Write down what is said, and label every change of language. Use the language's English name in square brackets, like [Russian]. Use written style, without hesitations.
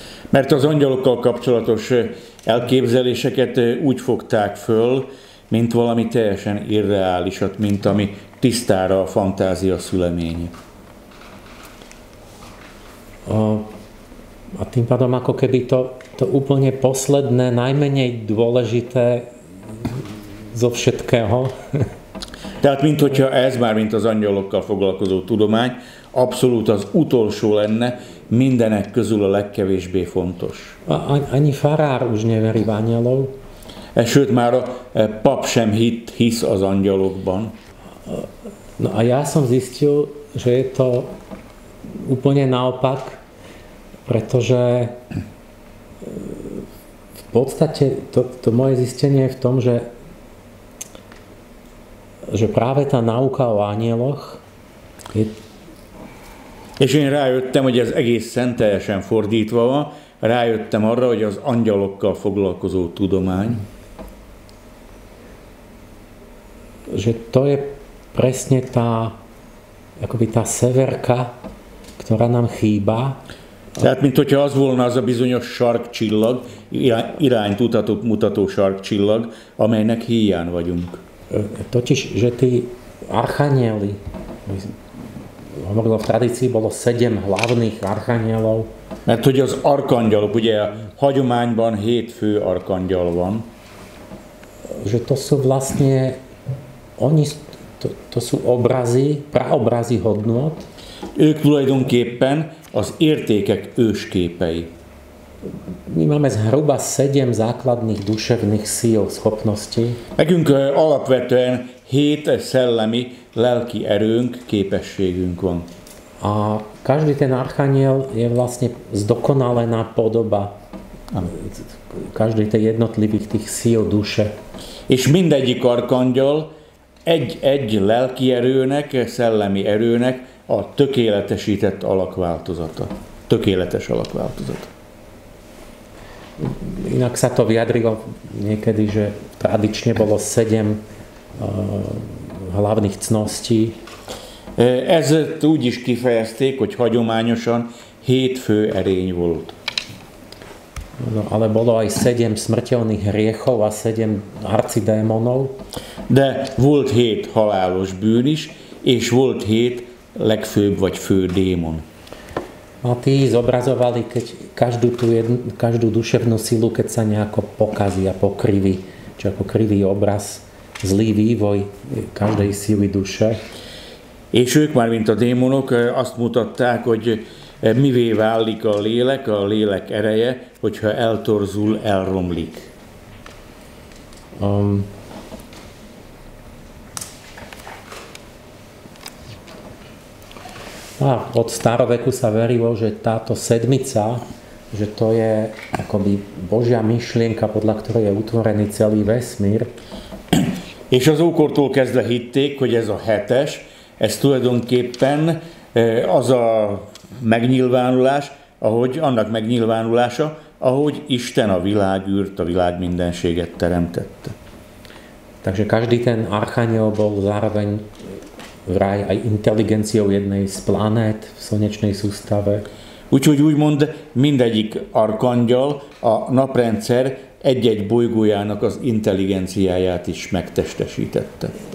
[Hungarian] Mert az angyalokkal kapcsolatos elképzeléseket úgy fogták föl, mint valami teljesen irreálisat, mint ami tisztára a fantázia szüleménye. [Slovak] A tým pádom ako keby to úplne posledné, najmenej dôležité zo všetkého. [Hungarian] Tehát mint hogyha ez már, mint az angyalokkal foglalkozó tudomány, abszolút az utolsó lenne, mindenek közül a legkevésbé fontos. [Slovak] Ani farár už neverí v anjelov. [Hungarian] Sőt, már a pap sem hisz az angyalokban. [Slovak] No a ja som zistil, že je to úplne naopak, pretože v podstate to moje zistenie je v tom, že práve tá nauka o anjeloch je. [Hungarian] És én rájöttem, hogy ez egészen teljesen fordítva van, rájöttem arra, hogy az angyalokkal foglalkozó tudomány. [Slovak] Že to je presne tá, akoby tá severka, ktorá nám chýba. [Hungarian] Tehát, mint hogyha az volna az a bizonyos sarkcsillag, irányt mutató sarkcsillag, amelynek híján vagyunk. [Slovak] Totiž, že tí archanieli, hovorilo v tradícii, bolo 7 hlavných archanielov. [Hungarian] Mert hogy az arkangyalok, ugye a hagyományban 7 fő arkangyal van. [Slovak] Že to sú vlastne, oni, to sú obrazy, praobrazy hodnot. [Hungarian] Ők tulajdonképpen az értékek ősképei. [Slovak] Mi máme zhruba 7 základných duševných síl, schopností. [Hungarian] Nekünk alapvetően 7 szellemi, lelki erőnk, képességünk van. [Slovak] A každý ten archaniel je vlastne zdokonalená podoba každej tej jednotlivých tých síl duše. [Hungarian] És mindegyik archangyal egy-egy lelki erőnek, szellemi erőnek a tökéletesített alakváltozata. Tökéletes alakváltozata. [Slovak] Inak sa to vyjadrilo niekedy, že tradične bolo 7 hlavných cností. [Hungarian] Ez úgy is kifejezték, hogy hagyományosan 7 fő erény volt. [Slovak] No, ale bolo aj 7 smrteľných hriechov a 7 arcidémonov. [Hungarian] De volt 7 halálos bűn is, és volt 7 legfőbb vagy fő démon. [Slovak] A tí zobrazovali keď každú duševnú silu, keď sa nejako pokazí a pokriví, čo ako krivý obraz, zlý vývoj každej síly duše. [Hungarian] És ők már, mint a démonok, azt mutatták, hogy mivé válik a lélek ereje, hogyha eltorzul, elromlik. [Slovak] A od staroveku sa verilo, že táto sedmica, že to je akoby Božia myšlienka, podľa ktorej je utvorený celý vesmír. [Hungarian] És az ókortól kezdve hitték, hogy ez a hetes, ez tulajdonképpen az a megnyilvánulás, ahogy annak megnyilvánulása, ahogy Isten a világűrt, a világ mindenséget teremtette. [Slovak] Takže každý ten archaniel bol zároveň vraj aj inteligenciou jednej z planét v slnečnej sústave. [Hungarian] Úgyhogy úgymond mindegyik archangyal a naprendszer egy-egy bolygójának az intelligenciáját is megtestesítette.